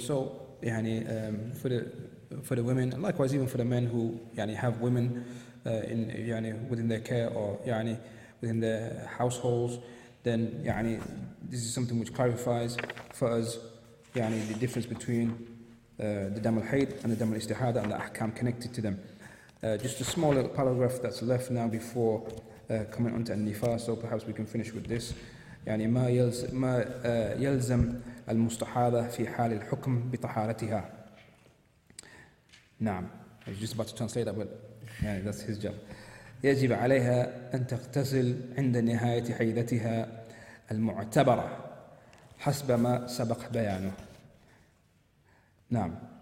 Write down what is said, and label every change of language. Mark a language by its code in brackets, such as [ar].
[en] So yani, for the women, and likewise even for the men who yani, have women in yani, within their care or yani, within their households, then yani, this is something which clarifies for us yani, the difference between the dam al-hayd and the dam al-istihada and the ahkam connected to them. Just a small little paragraph that's left now before coming onto an-nifas, so perhaps we can finish with this. [ar] يعني ما يلزم المستحاضة في حال الحكم بطهارتها. نعم. [en] I was just about to translate that, but yeah, that's his job. [ar] يجب عليها أن تغتسل عند نهاية حيضتها المعتبرة حسب ما سبق بيانه. نعم.